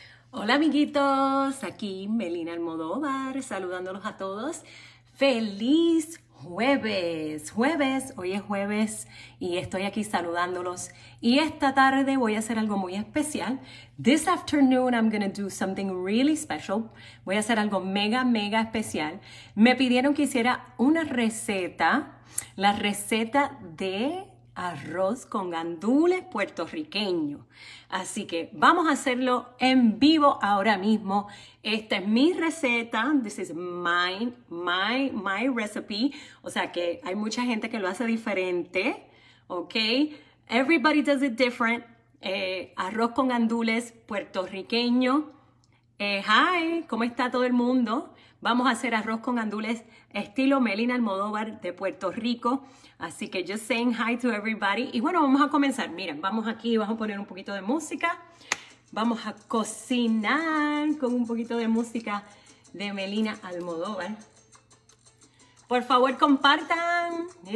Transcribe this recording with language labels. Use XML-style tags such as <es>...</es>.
<es>Hola amiguitos, aquí Melina Almodóvar saludándolos a todos. Feliz jueves, jueves, hoy es jueves y estoy aquí saludándolos. Y esta tarde voy a hacer algo muy especial.</es> <en>This afternoon I'm going to do something really special.</en> <es>Voy a hacer algo mega, mega especial. Me pidieron que hiciera una receta, la receta de arroz con gandules puertorriqueño. Así que vamos a hacerlo en vivo ahora mismo. Esta es mi receta.</es> <en>This is my recipe.</en> <es>O sea que hay mucha gente que lo hace diferente. Ok.</es> <en>Everybody does it different.</en> <es>Arroz con gandules puertorriqueño. Hi, ¿cómo está todo el mundo? Vamos a hacer arroz con gandules estilo Melina Almodóvar de Puerto Rico. Así que</es> <en>just saying hi to everybody.</en> <es>Y bueno, vamos a comenzar. Miren, vamos aquí, vamos a poner un poquito de música. Vamos a cocinar con un poquito de música de Melina Almodóvar. Por favor, compartan.</es>